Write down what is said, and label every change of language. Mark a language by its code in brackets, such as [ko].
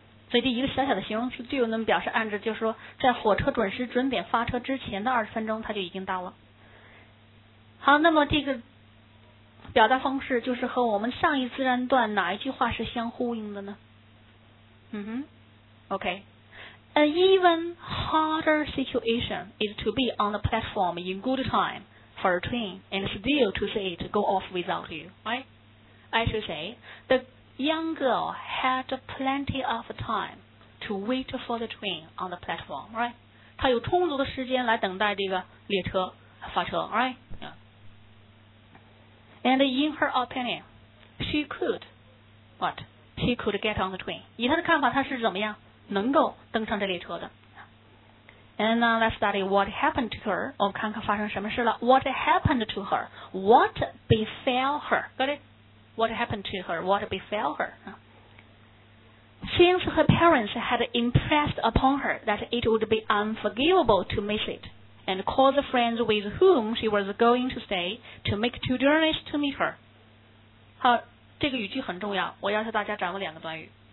[zh] 所以第一个小小的形容词 due 那么表示按着就是说在火车准时准点发车之前的二十分钟它就已经到了好那么这个表达方式就是和我们上一自然段哪一句话是相呼应的呢？ [en] OK. An even harder situation is to be on the platform in good time for a train and still to say it go off without you. Right? I should say, the young girl had plenty of time to wait for the train on the platform. Right? [zh] 她有充足的时间来等待这个列车发车。 [en] Right? And in her opinion, she could, what? She could get on the train. 以她的看法，她是怎么样能够登上这列车的 ？ And now let's study what happened to her. [zh] 我们看看发生什么事了。 [en] What happened to her? What befell her? Got it? What happened to her? What befell her? Since her parents had impressed upon her that it would be unforgivable to miss it. And call the friends with whom she was going to stay to make two journeys to meet her. [zh] 好，这个语句很重要，我要求大家掌握两个短语。